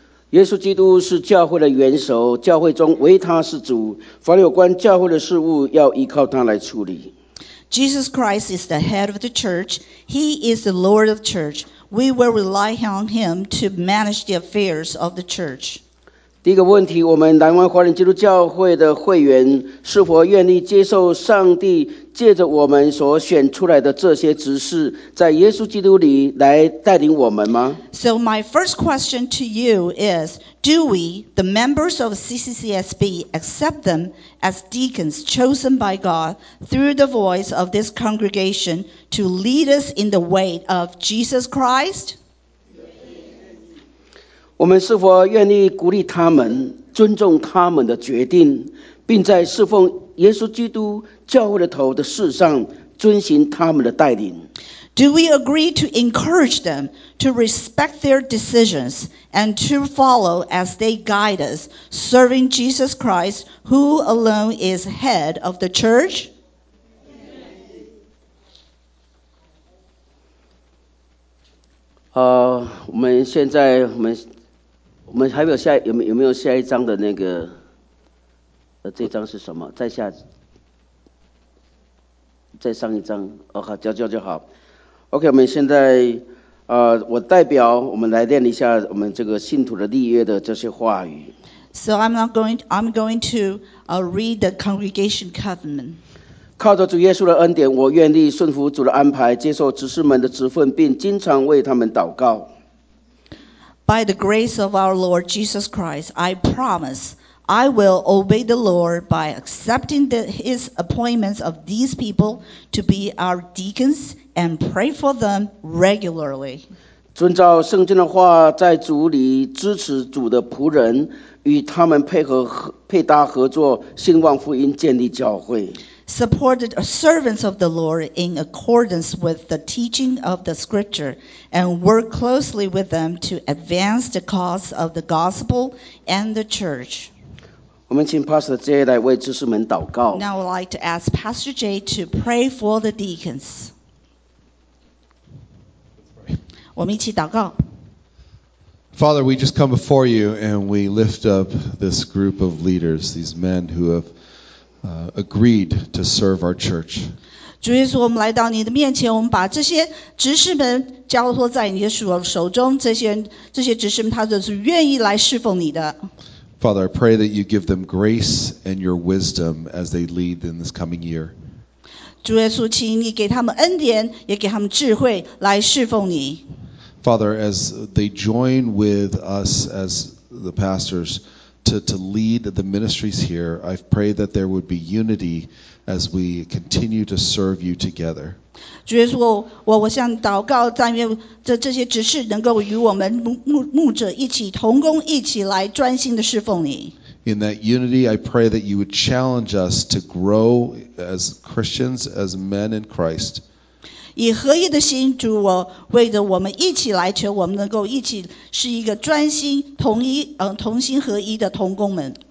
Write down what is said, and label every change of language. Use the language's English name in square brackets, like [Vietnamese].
[Chinese] 耶稣基督是教会的元首，教会中唯他是主，凡有关教会的事务要依靠他来处理。 [English] Jesus Christ is the head of the church. He is the Lord of the church. We will rely on him to manage the affairs of the church. [Chinese] 第一个问题，我们南湾华人基督教会的会员是否愿意接受上帝借着我们所选出来的这些执事，在耶稣基督里来带领我们吗 [English] ？So my first question to you is, do we, the members of CCCSB, accept them as deacons chosen by God through the voice of this congregation to lead us in the way of Jesus Christ? [Chinese] 我们是否愿意鼓励他们，尊重他们的决定，并在侍奉耶稣基督教会的头的事上遵循他们的带领 [English] ？Do we agree to encourage them to respect their decisions and to follow as they guide us, serving Jesus Christ, who alone is head of the church? [Chinese] 我们现在我们还有下有没有下一张的那个这张是什么？再上一张哦，好，就好。OK， 我们现在我代表我们来念一下我们这个信徒的立约的这些话语。 [English] So I'm going to read the congregation covenant. [Chinese] 靠着主耶稣的恩典，我愿意顺服主的安排，接受执事们的职分，并经常为他们祷告。 [English] By the grace of our Lord Jesus Christ, I promise I will obey the Lord by accepting his appointments of these people to be our deacons and pray for them regularly. [Chinese] 遵照圣经的话，在主里支持主的仆人，与他们配合配搭合作，兴旺福音，建立教会。 [English] Supported servants of the Lord in accordance with the teaching of the scripture and work closely with them to advance the cause of the gospel and the church. [Chinese] 我们请 Pastor Jay 来为执事们祷告。 [English] Now I'd like to ask Pastor Jay to pray for the deacons. [Chinese] 我们一起祷告。 [English] Father, we just come before you and we lift up this group of leaders, these men who haveagreed to serve our church. [Chinese] 主耶稣，我们来到你的面前，我们把这些执事们交托在你的手中。这些执事们，他就是愿意来侍奉你的。 [English] Father, I pray that you give them grace and your wisdom as they lead in this coming year. [Chinese] 主耶稣，请你给他们恩典，也给他们智慧来侍奉你。 [English] Father, as they join with us as the pastors. To lead the ministries here, I pray that there would be unity as we continue to serve you together. [Chinese] 主耶稣，我向祷告，但愿这些执事能够与我们牧者一起同工，一起来专心的侍奉你。 [English] In that unity, I pray that you would challenge us to grow as Christians, as men in Christ. [Chinese] 以合一的心，主，我为着我们一起来，求我们能够一起是一个专心同心合一的同工们。